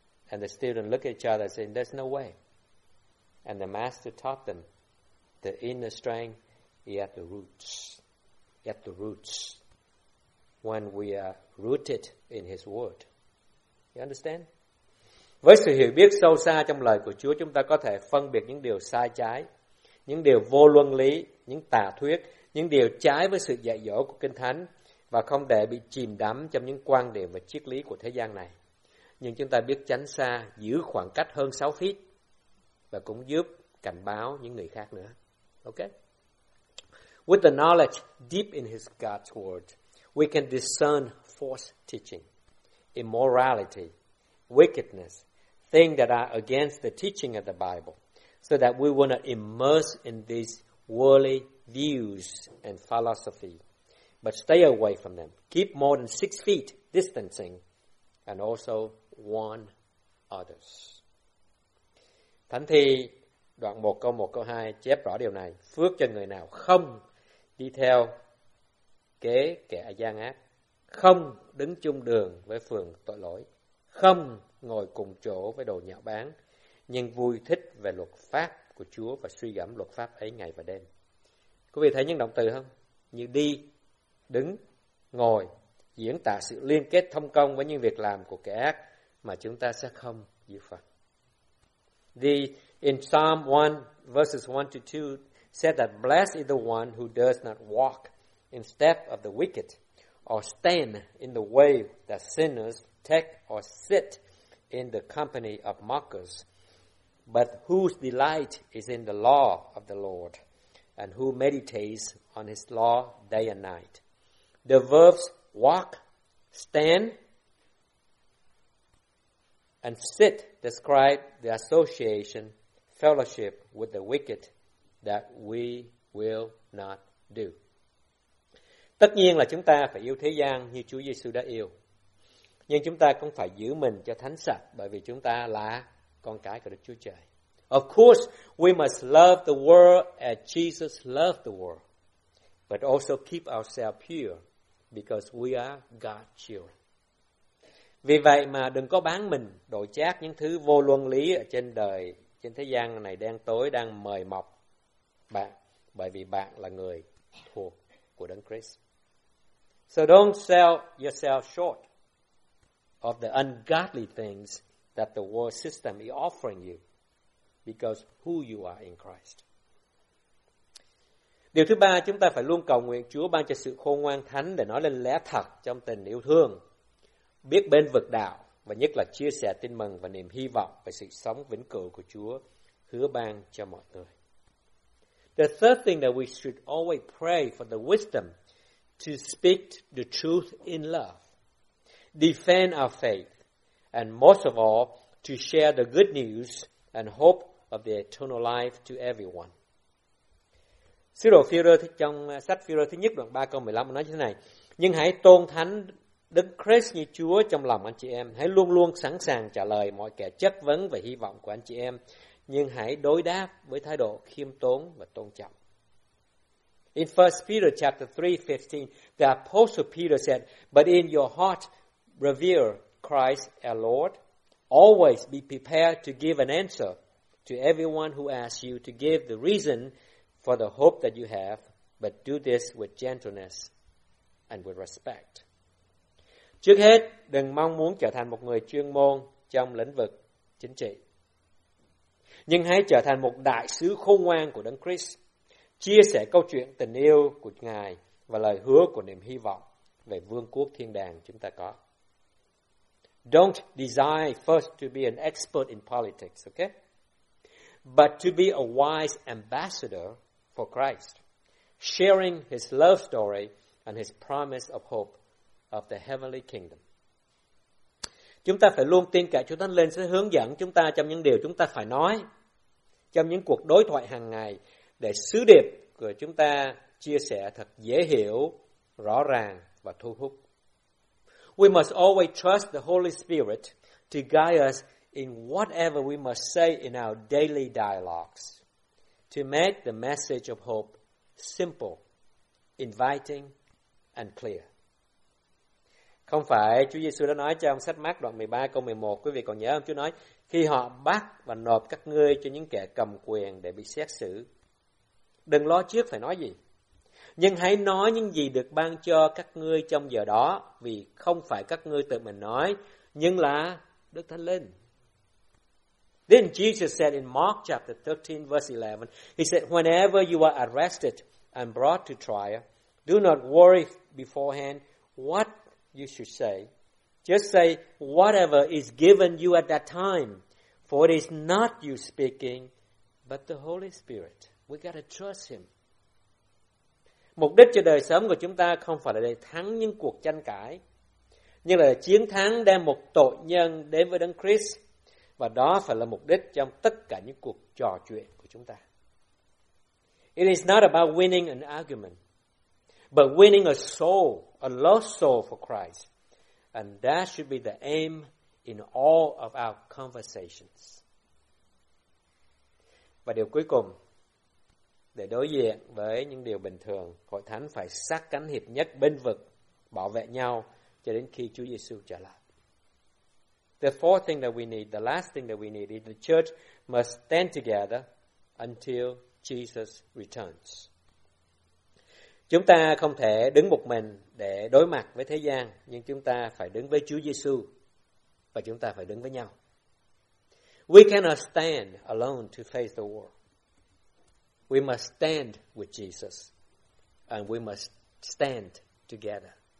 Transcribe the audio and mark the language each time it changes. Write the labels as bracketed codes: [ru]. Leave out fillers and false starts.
[en] And the student looked at each other saying, there's no way. And the master taught them the inner strength. He at the roots, at the roots, when we are rooted in His Word. You understand? [vi] Với sự hiểu biết sâu xa trong lời của Chúa, chúng ta có thể phân biệt những điều sai trái, những điều vô luân lý, những tà thuyết, những điều trái với sự dạy dỗ của Kinh Thánh, và không để bị chìm đắm trong những quan điểm và triết lý của thế gian này. Nhưng chúng ta biết tránh xa, giữ khoảng cách hơn 6 feet, và cũng giúp cảnh báo những người khác nữa. [en] Okay? With the knowledge deep in His God's Word, we can discern false teaching, immorality, wickedness, things that are against the teaching of the Bible, so that we will not immerse in these worldly views and philosophy, but stay away from them. Keep more than 6 feet distancing, and also warn others. [vi] Thánh Thi đoạn 1 câu 1 câu 2 chép rõ điều này. Phước cho người nào không đi theo kế kẻ gian ác, không đứng chung đường với phường tội lỗi, không ngồi cùng chỗ với đồ nhạo báng, nhưng vui thích về luật pháp của Chúa và suy gẫm luật pháp ấy ngày và đêm. Quý vị thấy những động từ không? Như đi, đứng, ngồi, diễn tả sự liên kết thông công với những việc làm của kẻ ác mà chúng ta sẽ không giữ phần. [en] In Psalm 1 verses 1 to 2 said that blessed is the one who does not walk in step of the wicked, or stand in the way that sinners take, or sit in the company of mockers, but whose delight is in the law of the Lord, and who meditates on His law day and night. The verbs walk, stand, and sit describe the association, fellowship with the wicked that we will not do. [vi] Tất nhiên là chúng ta phải yêu thế gian như Chúa Giêsu đã yêu. Nhưng chúng ta cũng phải giữ mình cho thánh sạch, bởi vì chúng ta là con cái của Đức Chúa Trời. [en] Of course, we must love the world as Jesus loved the world, but also keep ourselves pure because we are God's children. [vi] Vì vậy mà đừng có bán mình, đổi chác những thứ vô luân lý ở trên đời, trên thế gian này đen tối đang mời mọc bạn, bởi vì bạn là người thuộc của Đấng Christ. [en] So don't sell yourself short of the ungodly things that the world system is offering you, because who you are in Christ. [vi] Điều thứ ba, chúng ta phải luôn cầu nguyện Chúa ban cho sự khôn ngoan thánh để nói lên lẽ thật trong tình yêu thương, biết bên vực đạo và nhất là chia sẻ tin mừng và niềm hy vọng về sự sống vĩnh cửu của Chúa hứa ban cho mọi người. [en] The third thing that we should always pray for the wisdom to speak the truth in love, defend our faith, and most of all, to share the good news and hope of the eternal life to everyone. [vi] Sứ đồ Phi-rơ trong sách Phi-rơ thứ nhất đoạn 3 câu 15 nói như thế này: Nhưng hãy tôn thánh Đức Christ như Chúa trong lòng anh chị em, hãy luôn luôn sẵn sàng trả lời mọi kẻ chất vấn về hy vọng của anh chị em, nhưng hãy đối đáp với thái độ khiêm tốn và tôn trọng. [en] In 1 Peter chapter 3:15, the apostle Peter said, "But in your heart revere Christ as Lord. Always be prepared to give an answer to everyone who asks you to give the reason for the hope that you have, but do this with gentleness and with respect." [vi] Trước hết, đừng mong muốn trở thành một người chuyên môn trong lĩnh vực chính trị. Nhưng hãy trở thành một đại sứ khôn ngoan của Đấng Christ, chia sẻ câu chuyện tình yêu của Ngài và lời hứa của niềm hy vọng về vương quốc thiên đàng chúng ta có. [en] Don't desire first to be an expert in politics, okay? But to be a wise ambassador for Christ, sharing his love story and his promise of hope of the heavenly kingdom. [vi] Chúng ta phải luôn tin cậy Chúa Thánh Linh sẽ hướng dẫn chúng ta trong những điều chúng ta phải nói, trong những cuộc đối thoại hàng ngày, để sứ điệp của chúng ta chia sẻ thật dễ hiểu, rõ ràng và thu hút. [en] We must always trust the Holy Spirit to guide us in whatever we must say in our daily dialogues, to make the message of hope simple, inviting, and clear. [vi] Không phải Chúa Giêsu đã nói trong sách Mác đoạn 13 câu 11, quý vị còn nhớ không? Chúa nói, khi họ bắt và nộp các ngươi cho những kẻ cầm quyền để bị xét xử, đừng lo trước phải nói gì, nhưng hãy nói những gì được ban cho các ngươi trong giờ đó, vì không phải các ngươi tự mình nói, nhưng là Đức Thánh Linh. [en] Then Jesus said in Mark chapter 13 verse 11, he said, whenever you are arrested and brought to trial, do not worry beforehand what you should say. Just say whatever is given you at that time, for it is not you speaking, but the Holy Spirit. We gotta trust Him. [vi] Mục đích cho đời sống của chúng ta không phải là để thắng những cuộc tranh cãi, nhưng là để chiến thắng đem một tội nhân đến với Đấng Christ, và đó phải là mục đích trong tất cả những cuộc trò chuyện của chúng ta. [en] It is not about winning an argument, but winning a soul, a lost soul for Christ. And that should be the aim in all of our conversations. [vi] Và điều cuối cùng, để đối diện với những điều bình thường, hội thánh phải sát cánh hiệp nhất bên vực, bảo vệ nhau cho đến khi Chúa Giêsu trở lại. [en] The fourth thing that we need, the last thing that we need, is the church must stand together until Jesus returns. [vi] Chúng ta không thể đứng một mình để đối mặt với thế gian, nhưng chúng ta phải đứng với Chúa Giêsu và chúng ta phải đứng với nhau. [en] We cannot stand alone to face the world. We must stand with Jesus and we must stand together.